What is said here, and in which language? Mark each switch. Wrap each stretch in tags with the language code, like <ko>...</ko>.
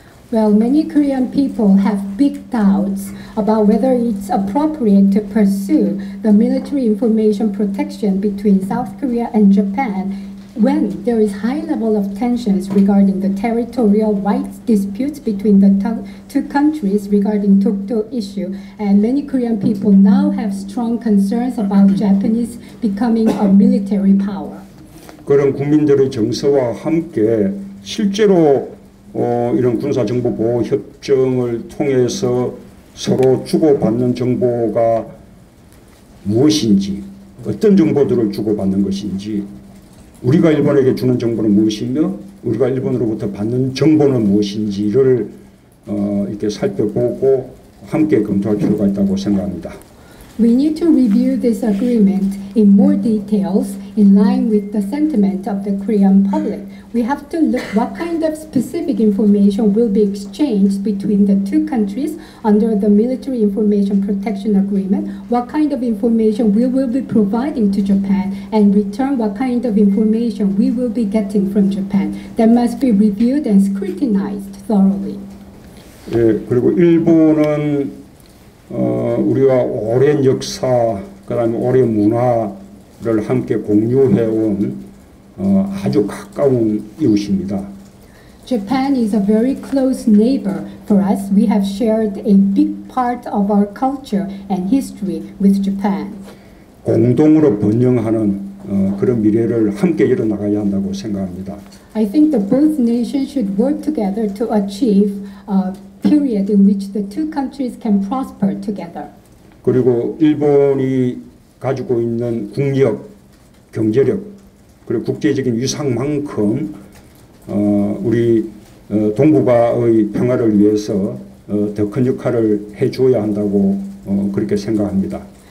<en>Well, many Korean people have big doubts about whether it's appropriate to pursue the military information protection between South Korea and Japan when there is high level of tensions regarding the territorial rights disputes between the two countries regarding Tokto issue. And many Korean people now have strong concerns about Japanese becoming a military power.</en> <ko>그런 국민들의 정서와 함께 실제로 이런 군사정보보호협정을 통해서 서로 주고받는 정보가 무엇인지, 어떤 정보들을 주고받는 것인지, 우리가 일본에게 주는 정보는 무엇이며, 우리가 일본으로부터 받는 정보는 무엇인지를 이렇게 살펴보고 함께 검토할 필요가 있다고 생각합니다.</ko> <en>We need to review this agreement in more details in line with the sentiment of the Korean public. We have to look what kind of specific information will be exchanged between the two countries under the Military Information Protection Agreement, what kind of information we will be providing to Japan, and in return what kind of information we will be getting from Japan. That must be reviewed and scrutinized thoroughly.</en> <ko>예, 그리고 일본은 우리가 오랜 역사, 그 다음에 오랜 문화를 함께 공유해온 아주 가까운 이웃입니다.</ko> <en>Japan is a very close neighbor for us. We have shared a big part of our culture and history with Japan.</en> <ko>공동으로 번영하는 그런 미래를 함께 열어나가야 한다고 생각합니다.</ko> <en>I think the both nations should work together to achieve a period in which the two countries can prosper together.</en> <ko>그리고 일본이 가지고 있는 국력, 경제력, 그리고 국제적인 위상만큼 우리 동북아의 평화를 위해서 더 큰 역할을 해줘야 한다고 그렇게 생각합니다.</ko>